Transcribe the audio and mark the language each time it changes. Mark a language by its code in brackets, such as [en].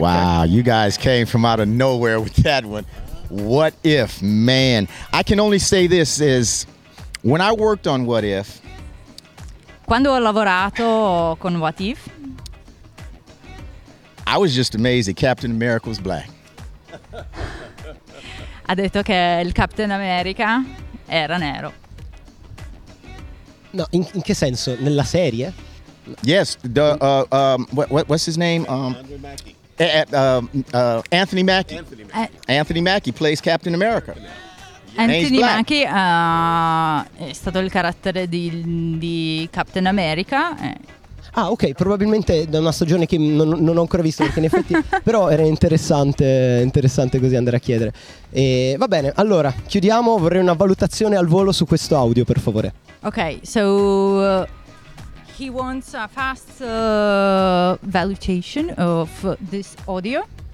[en] Wow, you guys came from out of nowhere with that one. What If, man. I can only say this is when I worked on What If. [it] Quando ho lavorato con What If? [en] I was just amazed that Captain America was black. [it] Ha detto che il Captain America era nero. No, in che senso? Nella serie? [en] Yes, what's his name? Anthony Mackie. Anthony Mackie plays Captain America. [it] Anthony Mackie è stato il carattere di Captain America. Ah, ok, probabilmente da una stagione che non ho ancora visto, perché in effetti però era interessante così andare a chiedere. E va bene, allora, chiudiamo, vorrei una valutazione al volo su questo audio, per favore. [en] Okay, so he wants a fast valuation of this audio.